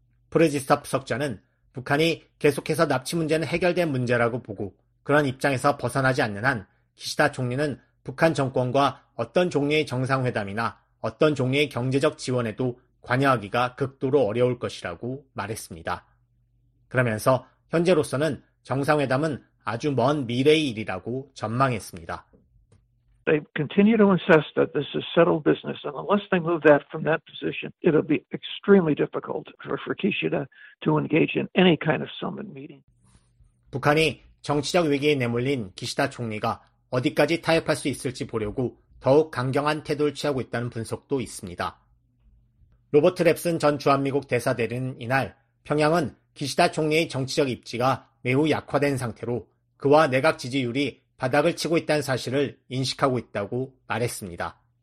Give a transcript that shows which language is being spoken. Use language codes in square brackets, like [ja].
[ko] 프르지스톱 석좌는 북한이 계속해서 납치 문제는 해결된 문제라고 보고 그런 입장에서 벗어나지 않는 한 기시다 총리는 북한 정권과 어떤 종류의 정상회담이나 어떤 종류의 경제적 지원에도 관여하기가 극도로 어려울 것이라고 말했습니다. 그러면서 현재로서는 정상회담은 아주 먼 미래의 일이라고 전망했습니다. [en] They continue to insist that this is settled business, and unless they move that from that position, it'll be extremely difficult for Kishida to engage in any kind of summit meeting. [ko] 북한이 정치적 위기에 내몰린 기시다 총리가 어디까지 타협할 수 있을지 보려고 더욱 강경한 태도를 취하고 있다는 분석도 있습니다. 로버트 랩슨 전 주한미국 대사대리는 이날 평양은 기시다 총리의 정치적 입지가 매우 약화된 상태로 그와 내각 지지율이 바닥을 치고 있다는 사실을 인식하고 있다고 말했습니다.